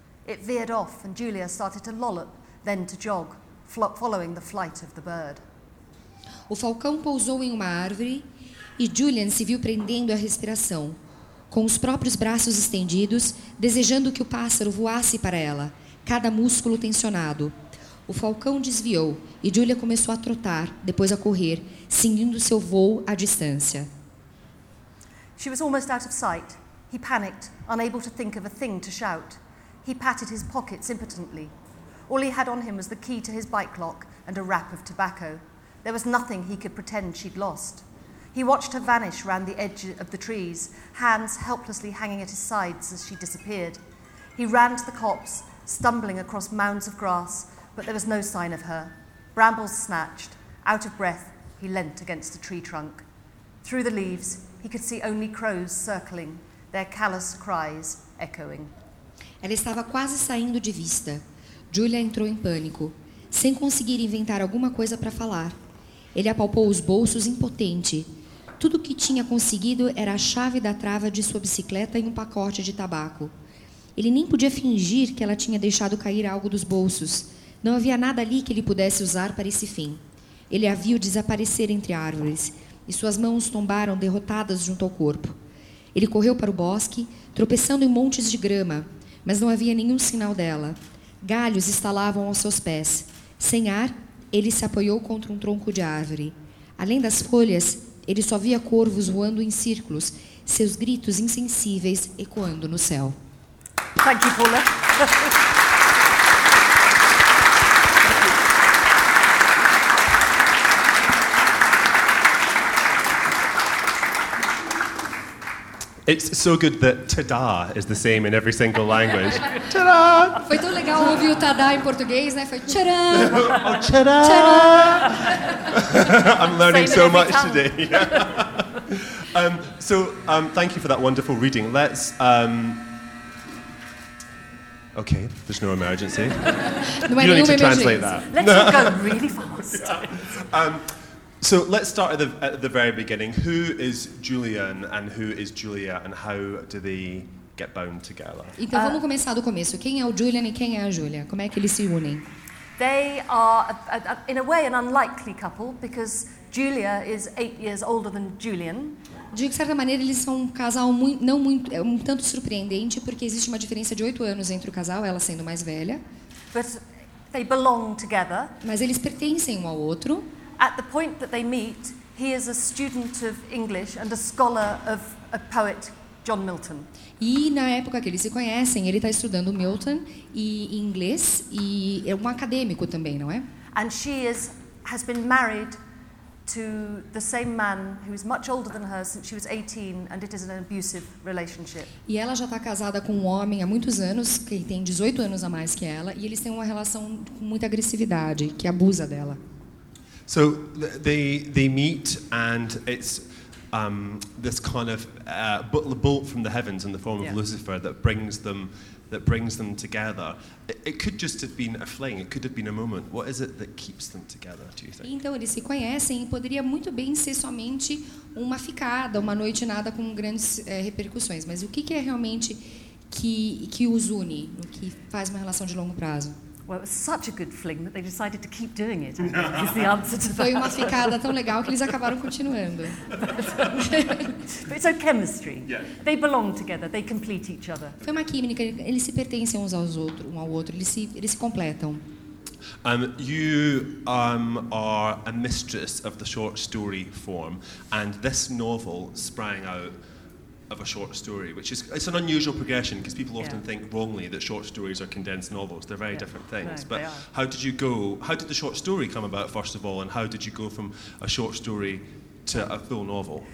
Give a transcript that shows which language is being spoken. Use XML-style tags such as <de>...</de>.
<en>It veered off, and Julia started to lollop, then to jog, following the flight of the bird.</en> <pt>O falcão pousou em uma árvore e Julian se viu prendendo a respiração, com os próprios braços estendidos, desejando que o pássaro voasse para ela, cada músculo tensionado. O falcão desviou e Julia começou a trotar, depois a correr, seguindo seu voo à distância.</pt> <en>She was almost out of sight. He panicked, unable to think of a thing to shout. He patted his pockets impotently. All he had on him was the key to his bike lock and a wrap of tobacco. There was nothing he could pretend she'd lost. He watched her vanish round the edge of the trees, hands helplessly hanging at his sides as she disappeared. He ran to the copse, stumbling across mounds of grass, but there was no sign of her. Brambles snatched. Out of breath, he leant against a tree trunk. Through the leaves, he could see only crows circling, their callous cries echoing.</en> <pt>Ela estava quase saindo de vista. Julia entrou em pânico, sem conseguir inventar alguma coisa para falar. Ele apalpou os bolsos impotente. Tudo o que tinha conseguido era a chave da trava de sua bicicleta e um pacote de tabaco. Ele nem podia fingir que ela tinha deixado cair algo dos bolsos. Não havia nada ali que ele pudesse usar para esse fim. Ele a viu desaparecer entre árvores, e suas mãos tombaram derrotadas junto ao corpo. Ele correu para o bosque, tropeçando em montes de grama, mas não havia nenhum sinal dela. Galhos estalavam aos seus pés. Sem ar, ele se apoiou contra um tronco de árvore. Além das folhas, ele só via corvos voando em círculos, seus gritos insensíveis ecoando no céu.</pt> <en>Thank you, Paula. It's so good that ta-da is the same in every single language. Ta-da!</en> <pt>Foi tão legal ouvir o ta-da em português, né? Foi tcharã! Oh, tcharã!</pt> <en>I'm learning so much today. So, thank you for that wonderful reading. Let's... Okay, there's no emergency. You don't need to translate that. Let's go really fast. Yeah. So let's start at the very beginning. Who is Julian and who is Julia and how do they get bound together?</en> <pt>Então vamos começar do começo. Quem é o Julian e quem é a Julia? Como é que eles se unem?</pt> <en>They are, in a way, an unlikely couple because Julia is 8 years older than Julian.</en> <pt>De certa maneira, eles são um casal um tanto surpreendente porque existe uma diferença de 8 anos entre o casal, ela sendo mais velha.</pt> <en>But they belong together.</en> <pt>Mas eles pertencem um ao outro.</pt> <en>At the point that they meet, he is a student of English and a scholar of a poet, John Milton.</en> <pt>E na época que eles se conhecem, ele está estudando Milton e inglês e é um acadêmico também, não é?</pt> <en>And she has been married to the same man who is much older than her since she was 18, and it is an abusive relationship.</en> <pt>E ela já está casada com um homem há muitos anos que tem 18 anos a mais que ela e eles têm uma relação com muita agressividade que abusa dela.</pt> <en>So they meet and it's this kind of bolt from the heavens in the form of Lucifer that brings them together. It could just have been a fling. It could have been a moment. What is it that keeps them together, do you think?</en> <pt>Então eles se conhecem e poderia muito bem ser somente uma ficada, uma noite nada com grandes repercussões. Mas o que é realmente que os une, o que faz uma relação de longo prazo?</pt> <en>Well, it was such a good fling that they decided to keep doing it, I think, is the answer to that.</en> <pt>Foi uma ficada tão legal que eles acabaram continuando.</pt> <en>But it's a chemistry. Yeah. They belong together, they complete each other.</en> <pt>Foi uma química, eles se pertencem uns aos outros, um ao outro, eles se completam.</pt> <en>You are a mistress of the short story form, and this novel sprang out of a short story, which is, it's an unusual progression because people often think wrongly that short stories are condensed novels. They're very different things. No, but how did you go, how did the short story come about, first of all, and how did you go from a short story to a full novel?</en>